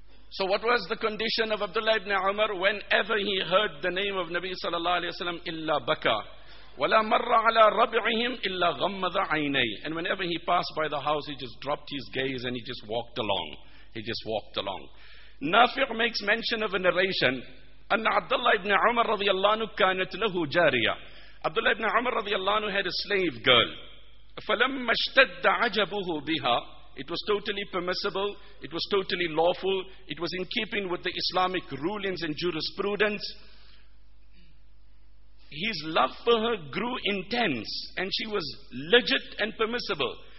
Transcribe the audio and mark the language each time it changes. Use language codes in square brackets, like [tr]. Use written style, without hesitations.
[en] So what was the condition of Abdullah ibn Umar whenever he heard the name of Nabi sallallahu alayhi wa sallam, [ar] illa baka. وَلَا مَرَّ عَلَىٰ رَبِعِهِمْ إِلَّا غَمَّذَ عَيْنَيْهِ. [en] And whenever he passed by the house, he just dropped his gaze and he just walked along. He just walked along. Nafi' makes mention of a narration. [ar] أَنَّ عَبْدَ ibn Umar رضي الله عنه كانت له جارية. [en] Abdullah ibn Umar رضي الله عنه had a slave girl. [ar] فَلَمَّ اشْتَدَّ عَجَبُهُ بِهَا. [en] It was totally permissible. It was totally lawful. It was in keeping with the Islamic rulings and jurisprudence. his love for her grew intense and she was legit and permissible.